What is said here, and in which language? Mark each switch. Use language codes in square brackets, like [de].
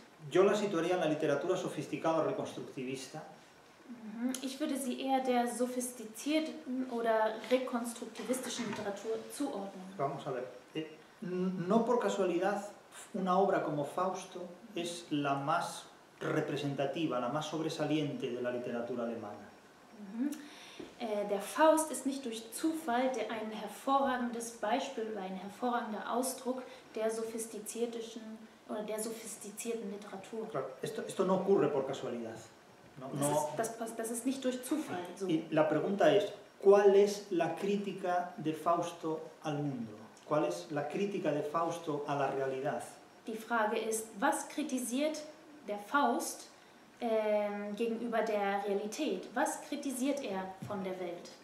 [es] Yo la situaría en la literatura sofisticada o reconstructivista. [de] Ich würde sie eher der sophistizierten oder rekonstruktivistischen Literatur zuordnen. [es] Vamos a ver. No por casualidad, una obra como Fausto es la más representativa, la más sobresaliente de la literatura alemana. [de] Der Faust ist nicht durch Zufall der ein hervorragendes Beispiel oder ein hervorragender Ausdruck der sophistizierten oder der sophistizierten Literatur. [es] Claro, esto no ocurre por casualidad. No, [de] das ist nicht durch Zufall so. [es] Y la pregunta es, ¿cuál es la crítica de Fausto al mundo? ¿Cuál es la crítica de Fausto a la realidad? [de] Die Frage ist, was kritisiert der Faust gegenüber der Realität? Was kritisiert er von der Welt?